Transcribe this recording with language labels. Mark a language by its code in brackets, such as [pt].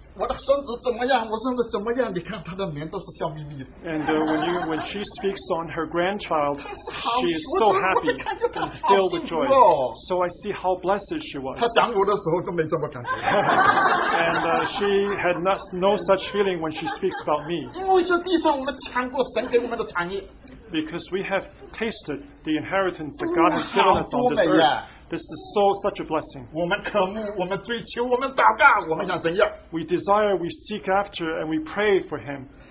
[zh] 我的孙子怎么样？我孙子怎么样？你看他的脸都是笑眯眯的。And [en] when she speaks on her grandchild, she is so happy and filled with joy. So I see how blessed she was. [zh] 他讲我的时候都没这么感觉。And [en] she had no such feeling when she speaks about me. [zh] 因为这地上我们尝过神给我们的产业。Because [en] we have tasted the inheritance that God has given us on this earth. This is so such a blessing. [zh] 我们渴慕，我们追求，我们祷告，我们向神要。 [en] We desire, we seek after, and we pray for Him.